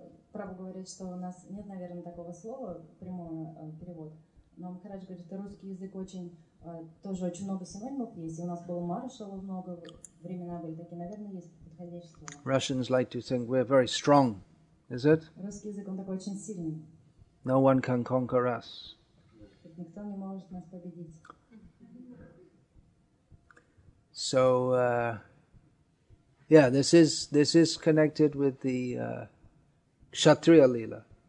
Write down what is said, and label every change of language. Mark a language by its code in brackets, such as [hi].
[ru] Прабху говорит, что у нас нет, наверное, такого слова, прямой перевод. Но Махарадж говорит, что русский язык очень много синонимов есть. И у нас было маршала много, времена были такие, наверное, есть подходящие слова. [en] Russians like to think we're very strong, is it? [ru] Русский язык, он такой очень сильный. [en] No one can conquer us. [ru] Никто не может нас победить. [en] So, this is connected with the Kshatriya Leela.